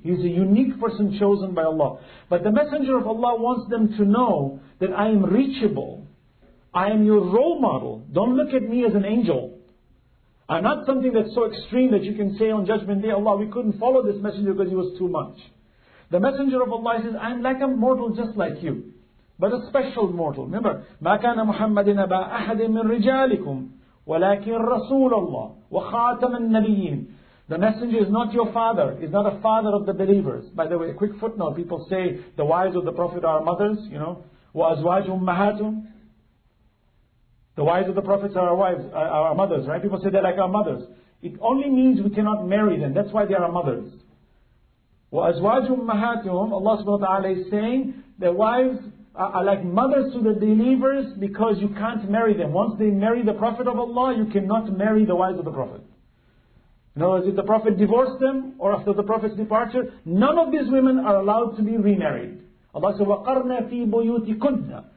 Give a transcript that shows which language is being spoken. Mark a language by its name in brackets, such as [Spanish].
[English] He's a unique person chosen by Allah. But the Messenger of Allah wants them to know that I am reachable. I am your role model. Don't look at me as an angel. I'm not something that's so extreme that you can say on Judgment Day, Allah, we couldn't follow this Messenger because he was too much. The Messenger of Allah says, I'm like a mortal just like you. But a special mortal. [Arabic] Remember, مَا كَانَ مُحَمَّدٍ أَبَا أَحَدٍ مِّن رِجَالِكُمْ وَلَكِنْ رَسُولَ اللَّهِ وَخَاتَمَ النَّبِيِّينَ. [English] The messenger is not your father. He's not a father of the believers. By the way, a quick footnote. People say the wives of the Prophet are mothers, you know. [Arabic] وَأَزْوَاجُ أُمَّهَاتُمْ. [English] The wives of the Prophets are our wives, are our mothers, right? People say they're like our mothers. It only means we cannot marry them. That's why they are our mothers. [Arabic] وَأَزْوَاجُ أُمَّهَاتُمْ. [English] Allah subhanahu wa ta'ala is saying their wives are like mothers to the believers because you can't marry them. Once they marry the Prophet of Allah, you cannot marry the wives of the Prophet. In other words, if the Prophet divorced them or after the Prophet's departure, none of these women are allowed to be remarried. [Arabic] Allah said, وَقَرْنَا فِي بُيُوتِكُنَّ.